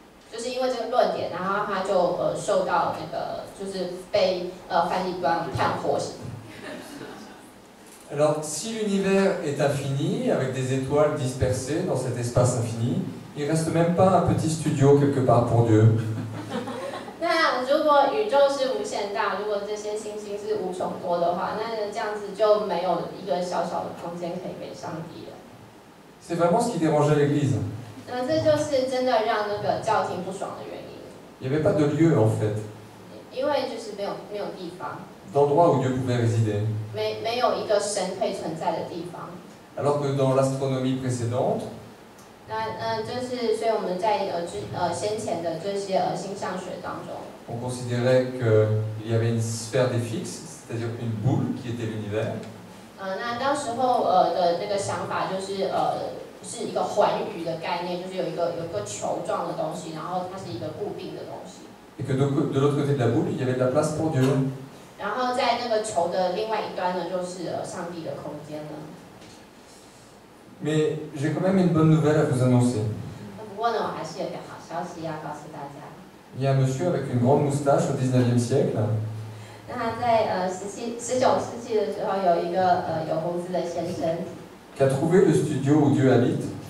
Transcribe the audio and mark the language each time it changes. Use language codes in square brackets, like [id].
[zh] 就是因为这个论点，然后他就受到那个，就是被梵蒂冈判火刑。 [fr] Alors, si l'univers est infini avec des étoiles dispersées dans cet espace infini, il reste même pas un petit studio quelque part pour Dieu. [zh] 那如果宇宙是无限大，如果这些星星是无穷多的话，那这样子就没有一个小小的空间可以给上帝了。 [fr] C'est vraiment ce qui dérangeait l'Église. [zh] 这就是真的让那个教廷不爽的原因。 [fr] Il n'y avait pas de lieu en fait. [zh] 因为就是没有地方。 [fr] D'endroit où Dieu pouvait résider. [zh] 没有一个神可以存在的地方。 [fr] Alors que dans l'astronomie précédente. [zh] 那就是所以我们在先前的这些星象学当中。 [fr] On considérait que il y avait une sphère des fixes, c'est-à-dire une boule qui était l'univers. [zh] 那当时候的那个想法就是是一个环宇的概念，就是有一个球状的东西，然后它是一个固定的东西。 [fr] Et que de l'autre côté de la boule, il y avait de la place pour Dieu. [zh] 然后在那个球的另外一端呢，就是上帝的空间了。 [fr] Mais j'ai quand même une bonne nouvelle à vous annoncer. [zh] 不过呢，我还是有个好消息要告诉大家。 [fr] Il y a un monsieur avec une grande moustache au 19e siècle. [zh] 那在十九世纪的时候，有一个有胡子的先生。 [fr] Qui a trouvé le studio où Dieu habite.